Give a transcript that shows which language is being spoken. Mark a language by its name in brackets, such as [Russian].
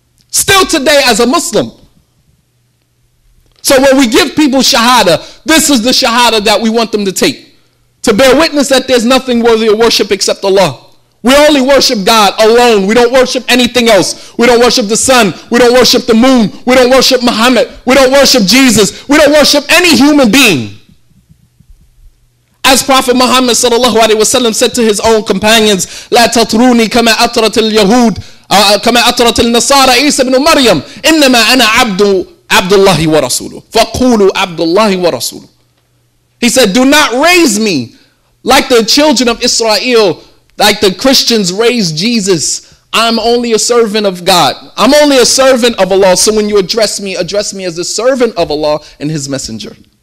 [English] Still today as a Muslim. So when we give people shahada, this is the shahada that we want them to take. To bear witness that there's nothing worthy of worship except Allah. We only worship God alone. We don't worship anything else. We don't worship the sun. We don't worship the moon. We don't worship Muhammad. We don't worship Jesus. We don't worship any human being. As Prophet Muhammad sallallahu alaihi wasallam said to his own companions, [Arabic] لا تطروني كما أطرت اليهود كما أطرت النصارى عيسى بن مريم إنما أنا عبد الله ورسوله فقولوا عبد الله ورسوله. [English] He said, do not raise me like the children of Israel, like the Christians raised Jesus. I'm only a servant of God. I'm only a servant of Allah. So when you address me as a servant of Allah and his messenger.